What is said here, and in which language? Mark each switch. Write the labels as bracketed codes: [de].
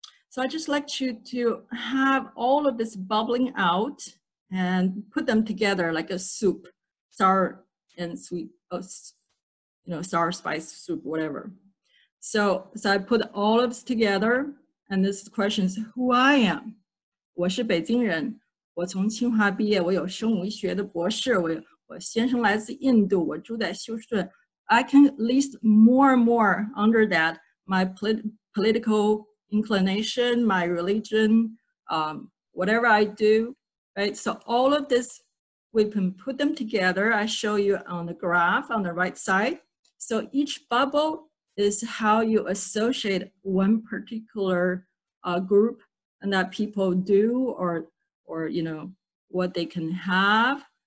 [en] So I just like you to have all of this bubbling out. And put them together like a soup, sour and sweet, you know, sour spice soup, whatever. So I put all of this together, and this question is who I am. [zh] 我是北京人，我从清华毕业，我有生物医学的博士，我先生来自印度，我住在休斯顿。 [en] I can list more and more under that, my political inclination, my religion, whatever I do, right? So all of this, we can put them together. I show you on the graph on the right side. So each bubble is how you associate one particular group and that people do or you know, what they can have.